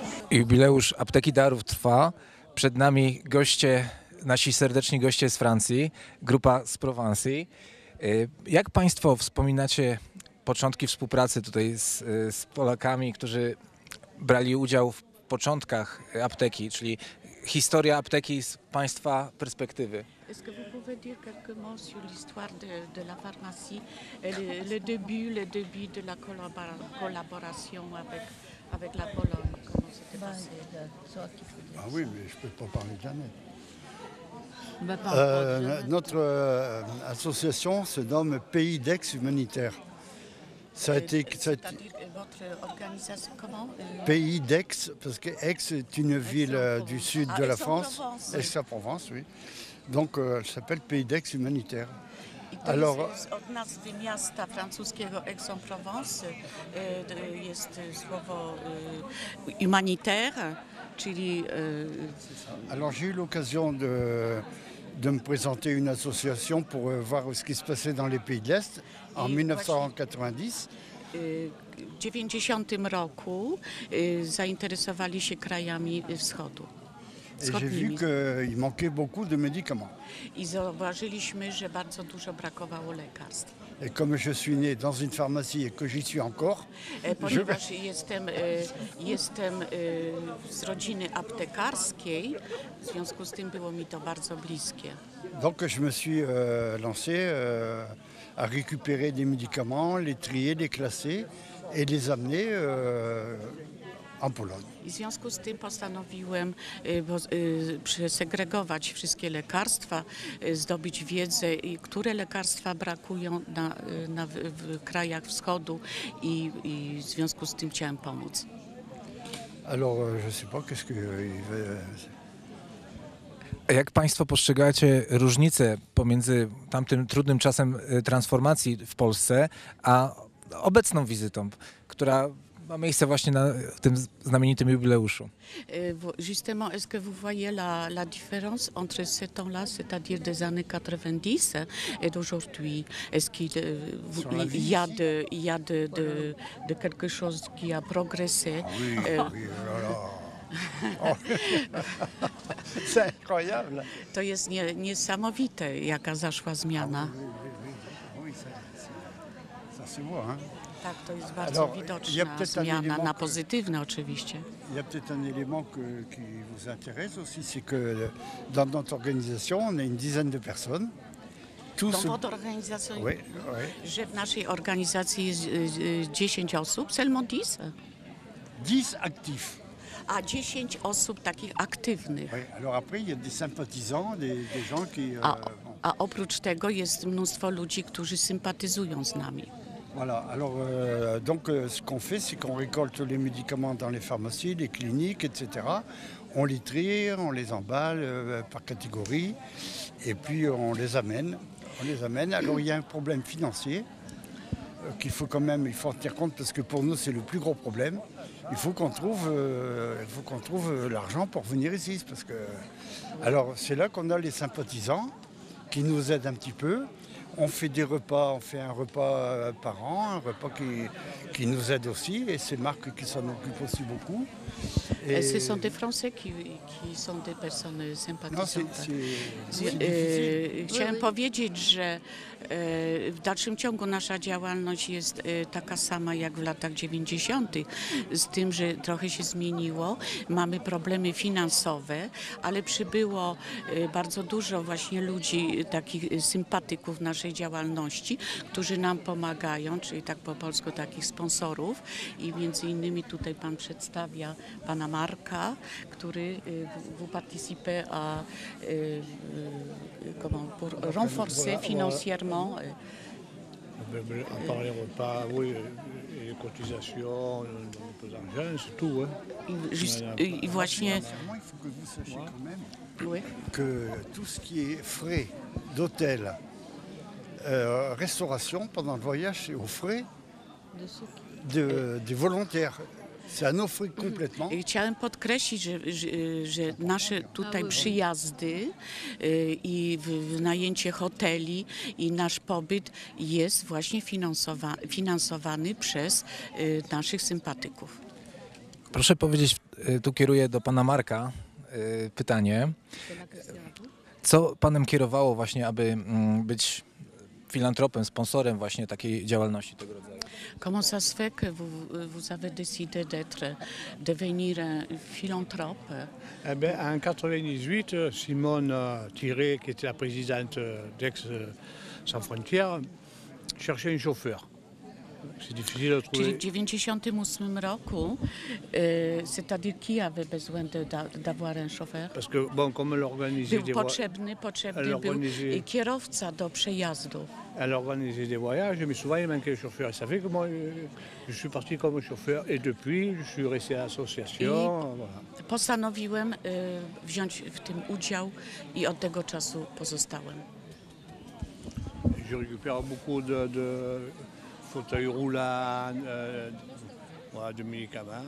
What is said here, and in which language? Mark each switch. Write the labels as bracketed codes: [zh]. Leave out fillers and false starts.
[pl] Jubileusz Apteki Darów trwa. Przed nami goście, nasi serdeczni goście z Francji, grupa z Prowansji. Jak Państwo wspominacie początki współpracy tutaj z Polakami, którzy brali udział w początkach apteki, czyli historia apteki z Państwa perspektywy? [fr] Est-ce que vous pouvez dire quelques mots sur l'histoire de la pharmacie, le début de la collaboration avec la Pologne, comment c'était passé? Ah oui, mais je peux pas parler de Jeannette. Notre association se nomme Pays d'Aix Humanitaire. Ça a été. C'est-à-dire votre organisation comment? Pays d'Aix, parce que Aix est une ville du sud de la France. Aix-en-Provence, oui. Donc elle s'appelle Pays d'Aix Humanitaire. Alors. [pl] Od nazwy miasta francuskiego Aix-en-Provence jest słowo humanitaire. [fr] Alors j'ai eu l'occasion de me présenter une association pour voir ce qui se passait dans les pays de l'Est en 1990. [pl] W 90 roku zainteresowali się krajami wschodu. [fr] Et j'ai vu qu'il manquait beaucoup de médicaments. [pl] I zauważyliśmy, że bardzo dużo brakowało lekarstw. [fr] Et comme je suis né dans une pharmacie et que j'y suis encore, [pl] ponieważ jestem z rodziny aptekarskiej, w związku z tym było mi to bardzo bliskie. [fr] Donc je me suis lancé à récupérer des médicaments, les trier, les classer et les amener en Pologne. [pl] W związku z tym postanowiłem przesegregować wszystkie lekarstwa, zdobyć wiedzę, które lekarstwa brakują w krajach wschodu i w związku z tym chciałem pomóc. [fr] Alors, je sais pas, qu'est-ce que... [pl] A jak Państwo postrzegacie różnicę pomiędzy tamtym trudnym czasem transformacji w Polsce, a obecną wizytą, która ma miejsce właśnie na tym znamienitym jubileuszu. [fr] Justement, est-ce que vous voyez la différence entre ce temps-là, c'est-à-dire des années 90 et d'aujourd'hui? Est-ce qu'il y a de quelque chose qui a progressé? C'est incroyable. [pl] To jest niesamowite, jaka zaszła zmiana. [fr] Ça se voit, hein? [pl] Tak, to jest bardzo widoczna zmiana, na pozytywne oczywiście. [fr] Il y a peut-être un élément qui vous intéresse aussi, c'est que dans notre organisation, on a une dizaine de personnes. Dans votre organisation, oui, oui. [pl] Że w naszej organizacji jest 10 osób, [fr] seulement 10? 10 actifs. [pl] A 10 osób takich aktywnych. [fr] Oui, alors après, il y a des sympathisants, des gens qui... [pl] A oprócz tego jest mnóstwo ludzi, którzy sympatyzują z nami. [fr] Voilà, alors donc ce qu'on fait, c'est qu'on récolte les médicaments dans les pharmacies, les cliniques, etc. On les trie, on les emballe par catégorie et puis on les amène. Alors il y a un problème financier qu'il faut quand même, il faut en tenir compte parce que pour nous c'est le plus gros problème. Il faut qu'on trouve l'argent pour venir ici. Parce que... Alors c'est là qu'on a les sympathisants qui nous aident un petit peu. On fait des repas, on fait un repas par an, un repas qui nous aide aussi, et c'est Marc qui s'en occupe aussi beaucoup. Et ce sont des Français qui sont des personnes sympathisantes. Non, [pl] chciałem powiedzieć, że w dalszym ciągu nasza działalność jest taka sama jak w latach 90. Z tym, że trochę się zmieniło, mamy problemy finansowe, ale przybyło bardzo dużo właśnie ludzi, takich sympatyków naszej działalności, którzy nam pomagają, czyli tak po polsku takich sponsorów. I między innymi tutaj pan przedstawia pana Marka, który [fr] participe à comment pour renforcer financièrement À part les repas, oui, et les cotisations, les peu d'argent, c'est tout. Hein. Il faut que vous sachiez quand même que tout ce qui est frais d'hôtel, restauration pendant le voyage, c'est aux frais des volontaires. [pl] Chciałem podkreślić, że nasze tutaj przyjazdy i wynajęcie hoteli i nasz pobyt jest właśnie finansowany przez naszych sympatyków. Proszę powiedzieć, tu kieruję do pana Marka pytanie. Co panem kierowało właśnie, aby być filantropem, sponsorem właśnie takiej działalności tego rodzaju? [fr] Comment ça se fait que vous avez décidé d'être, devenir un philanthrope? Eh bien, en 98, Simone Thiré, qui était la présidente d'Aix Sans Frontières, cherchait un chauffeur. C'est difficile de trouver. [pl] Czyli w 98 roku, [fr] c'est-à-dire qui avait besoin d'avoir un chauffeur? Parce que, bon, comme elle organisait des [pl] potrzebny był kierowca do przejazdu. [fr] Elle organisait des voyages, mais souvent il manquait le chauffeur. Et ça fait que moi, je suis parti comme chauffeur et depuis, je suis resté à l'association. Voilà. [pl] Postanowiłem wziąć w tym udział i od tego czasu pozostałem. [fr] Je récupère beaucoup de fauteuil roulant, de médicaments.